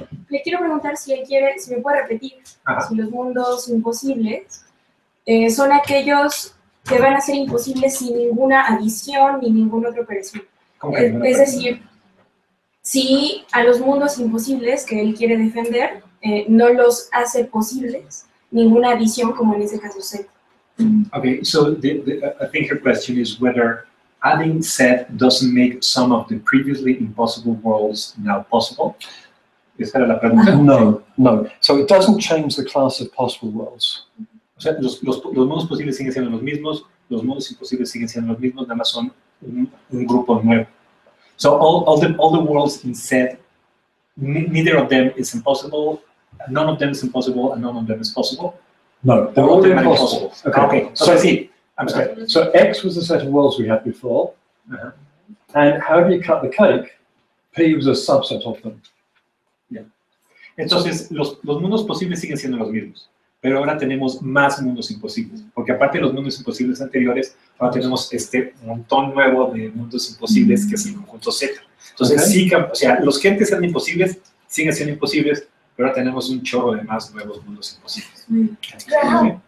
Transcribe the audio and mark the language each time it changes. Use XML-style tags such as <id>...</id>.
<es>Le quiero preguntar si él quiere, si me puede repetir, si los mundos imposibles son aquellos que van a ser imposibles sin ninguna adición ni ningún otro operación. Es decir, si a los mundos imposibles que él quiere defender no los hace posibles ninguna adición como en ese caso set.</es> <en>Okay, so I think her question is whether adding set doesn't make some of the previously impossible worlds now possible. No. So it doesn't change the class of possible worlds.</en> <es>O sea, los modos posibles siguen siendo los mismos, los modos imposibles siguen siendo los mismos, nada más son un grupo nuevo.</es> <en>So all the worlds in set, neither of them is impossible, none of them is impossible, and none of them is possible? No, they're all impossible. Okay. So X was the set of worlds we had before, and however you cut the cake, P was a subset of them.</en> <es>Entonces, los mundos posibles siguen siendo los mismos, pero ahora tenemos más mundos imposibles, porque aparte de los mundos imposibles anteriores, ahora tenemos este montón nuevo de mundos imposibles que es el conjunto Z. Entonces, sí, o sea, los que antes eran imposibles siguen siendo imposibles, pero ahora tenemos un chorro de más nuevos mundos imposibles.</es>